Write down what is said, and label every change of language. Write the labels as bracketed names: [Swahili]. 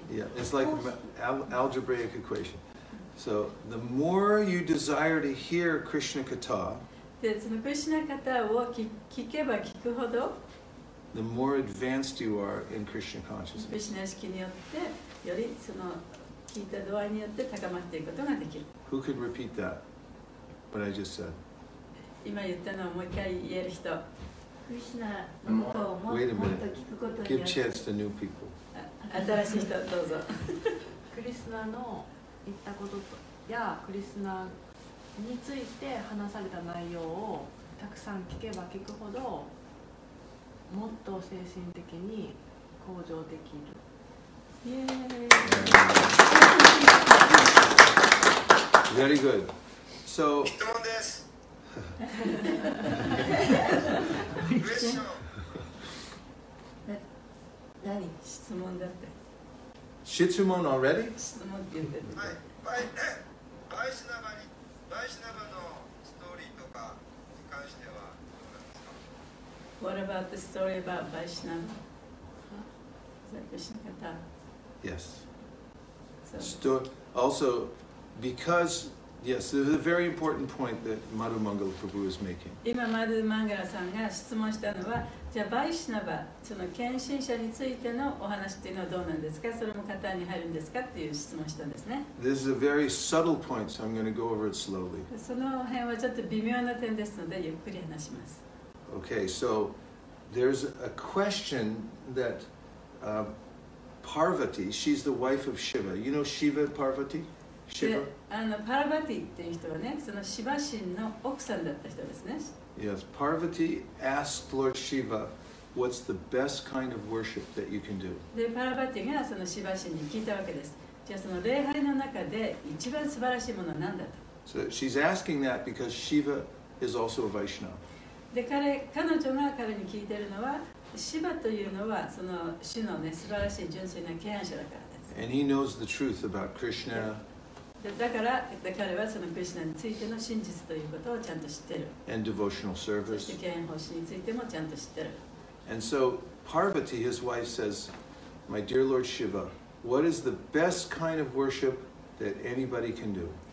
[English] Yeah, it's like algebraic equation. So the more you desire to hear Krishna Kata, [Japanese] でそのクリシナカタを聞けば聞くほど、 [English] the more advanced you are in Krishna consciousness. [Japanese] Krishna 意識によってよりその聞いた度合いによって高まっていくことができる。 [English] Who could repeat that? What I just said. [Japanese] 今言ったのをもう一回言える人。 Krishna のことをもっともっと聞くことによって。 [English] Give chance to new people. [Japanese] 新しい人どうぞ。 Krishna の言ったことや Krishna について話された内容をたくさん聞けば聞くほど。もっと精神的に向上できる。 [English] イエーイ。Very good. So, [Japanese] 質問です。 [English] クエスチョン。 [Japanese] 何？質問だって。質問 [English] already？ [Japanese] 質問って言ってる。はい。バイシナバに、バイシナバのストーリーとか。 [English] What about the story about Vaishnava? Is that Krishna Katha? Yes. So. Also, because, yes, this is a very important point that Madhu Mangala Prabhu is making. [Japanese] 今 Madhu Mangala さんが質問したのは、じゃあ Vaishnava、その献身者についてのお話っていうのはどうなんですか？それも型に入るんですか？っていう質問したんですね。 [English] This is a very subtle point, so I'm going to go over it slowly. [Japanese] その辺はちょっと微妙な点ですので、ゆっくり話します。 [English] Okay, so there's a question that Parvati, she's the wife of Shiva. You know Shiva, Parvati? Shiva? [Japanese] Parvati っていう人はね、その Shiva 神の奥さんだった人ですね。 [English] Yes, Parvati asked Lord Shiva, what's the best kind of worship that you can do? [Japanese] で、Parvati がその Shiva 神に聞いたわけです。じゃあその礼拝の中で一番素晴らしいものは何だと。 [English] So she's asking that because Shiva is also a Vaishnava. [Japanese] で 彼女が彼に聞いているのは、シヴァというのはその主の、ね、素晴らしい純粋な権威者だからです。 [English] And he knows the truth about Krishna. [Japanese] だから彼はそのクリシナについての真実ということをちゃんと知っている。 [English] And devotional service. [Japanese] そして権威奉仕についてもちゃんと知っている。 [English] And so Parvati, his wife, says, "My dear Lord Shiva, what is the best kind of worship that anybody can do?"